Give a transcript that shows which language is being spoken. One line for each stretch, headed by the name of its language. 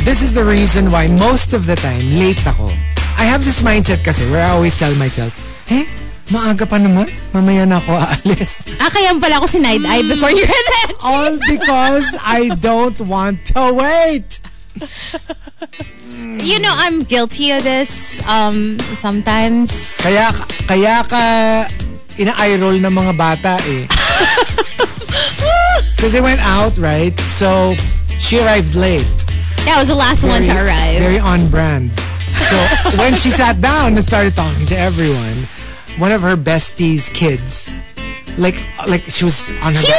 English: This is the reason why most of the time,
Filipino: late ako.
English: I have this mindset kasi where I always tell myself, hey,
Filipino: maaga pa naman. Mamaya na ako aalis. Ah, kaya pala ako sinide eye
English: before you head. All because I don't want to wait. You know, I'm guilty of this sometimes.
Filipino: Kaya ka ina-eye roll ng mga bata eh.
English: Because they went out, right? So, she arrived late. Yeah, I was the last one to arrive. Very on brand. So, when she sat down and started talking to everyone, one of her besties' kids, like she was on her She budget.